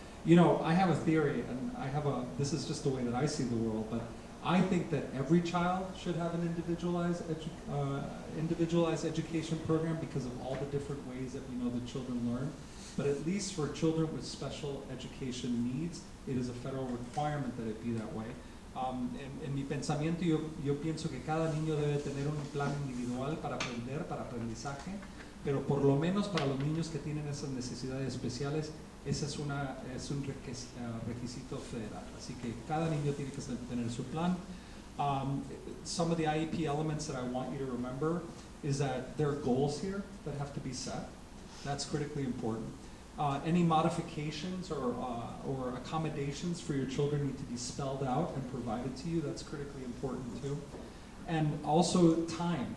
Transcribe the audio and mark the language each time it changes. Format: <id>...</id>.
<en>You know, I have a theory, and I have a, this is just the way that I see the world, but I think that every child should have an individualized individualized education program because of all the different ways that we know that children learn. But at least for children with special education needs, it is a federal requirement that it be that way.</en> <es>En mi pensamiento, yo pienso que cada niño debe tener un plan individual para aprender, para aprendizaje, pero por lo menos para los niños que tienen esas necesidades especiales, ese es, una, es un requisito federal. Así que cada niño tiene que tener su plan.</es> <en>Some of the IEP elements that I want you to remember is that there are goals here that have to be set. That's critically important. Any modifications or accommodations for your children need to be spelled out and provided to you. That's critically important too. And also time.</en>